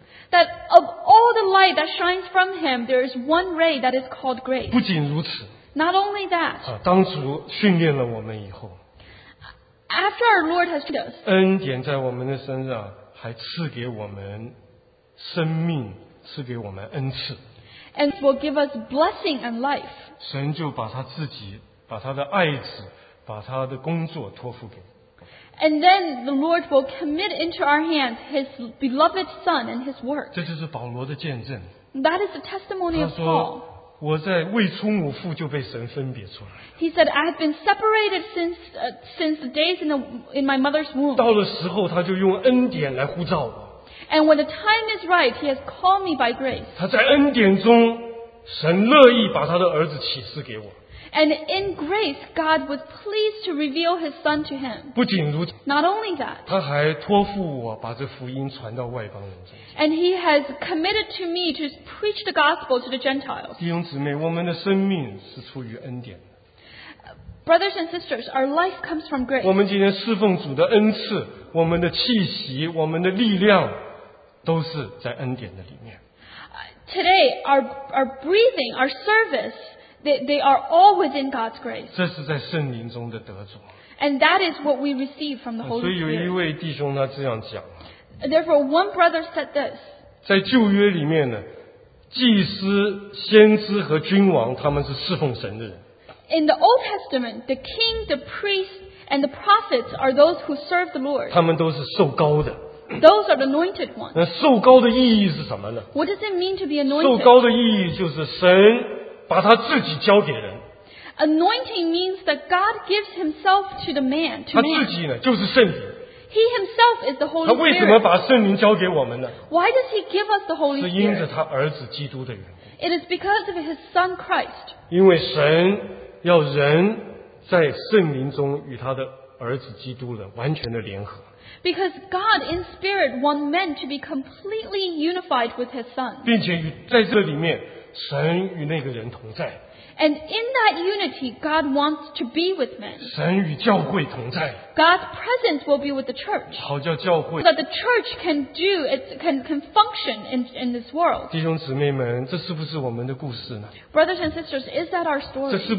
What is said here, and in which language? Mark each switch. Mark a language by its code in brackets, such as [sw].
[en] That of all the light that shines from Him, there is one ray that is called grace. [zh] 不仅如此, [en] not only that, [zh] 啊, 当初训练了我们以后, [en] after our Lord has trained us, [zh] 恩典在我们的身上还赐给我们 生命赐给我们恩赐, [en] and will give us blessing and life. [zh] 神就把他自己, 把他的爱子, 把他的工作托付给, [en] and then the Lord will commit into our hands His beloved Son and His work. [zh] 这就是保罗的见证。 [en] That is the testimony [zh] 他说, [en] of Paul. [zh] 我在未出母腹就被神分别出来。 [en] He said, I have been separated since the days in my mother's womb. [zh] 到了时候他就用恩典来呼召我。 [en] And when the time is right, He has called me by grace. [zh] 他在恩典中, 神乐意把他的儿子启示给我。 [en] And in grace, God was pleased to reveal His Son to him. [zh] 不仅如此, [en] not only that, [zh] 他还托付我把这福音传到外邦人中间。 [en] And He has committed to me to preach the gospel to the Gentiles. [zh] 弟兄姊妹, 我们的生命是出于恩典的。 [en] Brothers and sisters, our life comes from grace. [zh] 我们今天侍奉主的恩赐, 我们的气息, 我们的力量, 都是在恩典的里面。 [en] Today, our breathing, our service, they are all within God's grace. [zh] 这是在圣灵中的得着。 [en] And that is what we receive from the Holy Spirit. [zh] 所以有一位弟兄他这样讲, [en] therefore, one brother said this. [zh] 在旧约里面呢, 祭司, 先知和君王, 他们是侍奉神的人。 [en] In the Old Testament, the king, the priest, and the prophets are those who serve the Lord. [zh] 他们都是受膏的。 [en] Those are the anointed ones. [zh] 那受膏的意义是什么呢? [en] What does it mean to be anointed? [zh] 受膏的意义就是神把他自己交给人。 [en] Anointing means that God gives Himself to the man, to man. [zh] 他自己呢,就是圣灵。 [en] He Himself is the Holy Spirit. [zh] 他为什么把圣灵交给我们呢? [en] Why does He give us the Holy Spirit? [zh] 是因着他儿子基督的缘故。 [en] It is because of His Son Christ. [zh] 因为神要人在圣灵中与他的儿子基督的完全的联合。 [en] Because God in spirit wants men to be completely unified with His Son. [zh] 并且在这里面, 神与那个人同在。 [en] And in that unity, God wants to be with men. [zh] 神与教会同在。 [en] God's presence will be with the church. [zh] 好叫教会, [en] so that the church can do it, can function in this world. [zh] 弟兄姊妹们, 这是不是我们的故事呢? [en] Brothers and sisters, is that our story?